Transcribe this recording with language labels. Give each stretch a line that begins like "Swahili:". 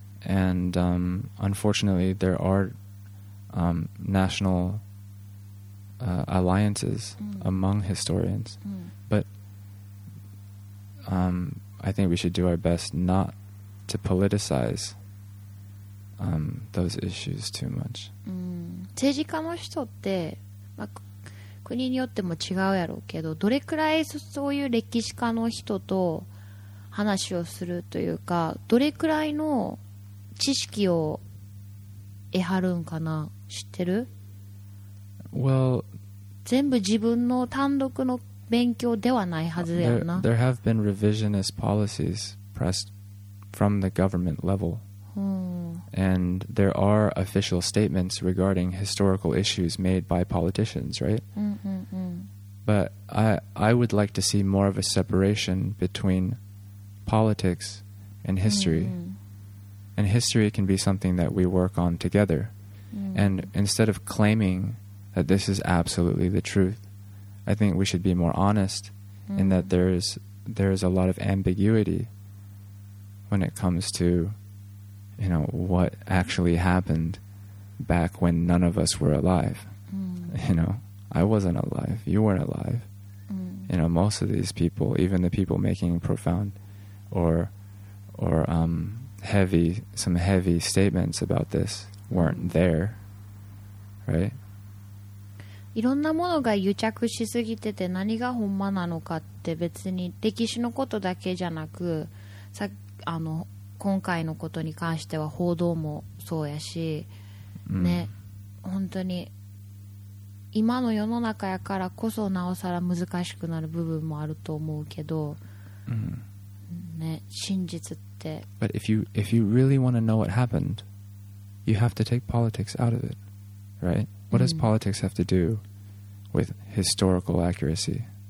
English: And、unfortunately, there are、national、alliances、 mm. among historians.、 Mm. But、I think we should do our best not to politicize、those issues too much.、 Mm.
Japanese: 政治家の人って、まあ、国によっても違うやろうけど、どれくらいそういう歴史家の人と話をするというか、どれくらいの知識を得はるんかな、知ってる？
English: Well,
Japanese: 全部自分の単独の勉強ではないはずやな。
English: There have been revisionist policies pressed from the government level.、うん、 And there are official statements regarding historical issues made by politicians, right? うんうんうん。 But I would like to see more of a separation betweenPolitics and history、 mm-hmm. and history can be something that we work on together、 mm-hmm. and instead of claiming that this is absolutely the truth, I think we should be more honest、 mm-hmm. in that there is a lot of ambiguity when it comes to, you know, what actually happened back when none of us were alive、 mm-hmm. you know, I wasn't alive, you weren't alive、 mm-hmm. you know, most of these people, even the people making profoundor heavy some heavy statements about this weren't there right
Japanese: いろんなものが癒着しすぎてて何がほんまなのかって別に歴史のことだけじゃなくさあの今回のことに関しては報道もそうやしね、 mm. 本当に今の世の中やからこそなおさら難しくなる部分もあると思うけど、 mm. ね、真実って。
English: But if you really want to know what happened, you have to take politics out of it, right? What does politics have to do with historical accuracy?